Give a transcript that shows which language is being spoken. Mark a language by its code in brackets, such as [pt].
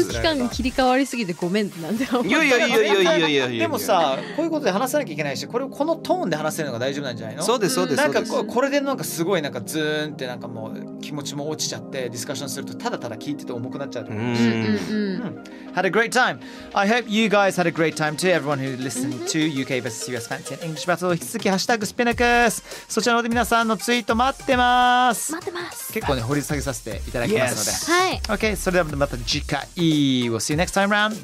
[ja] いきなり空気感が切り替わりすぎてごめんなんて思ったの。いやいやいやいやいやいや。でもさ、こういうことで話さなきゃいけないし、これをこのトーンで話せるのが大丈夫なんじゃないの？そうですそうです。なんかこれでなんかすごいなんかズーンってなんかもう気持ちも落ちちゃってディスカッションするとただただ聞いてて重くなっちゃうと思う [en] し。Had a great time! I hope you guys had a great time too. Everyone who listened to UK vs. [ja] US Fancy and English Battle 引き続きハッシュタグスピナクス。そちらの方で皆さんのツイート待ってます。待ってます。結構ね掘り下げさせていただきますので、yes. はい、 [en] OK、 [ja] それではまた次回 [en] We'll see you next time round.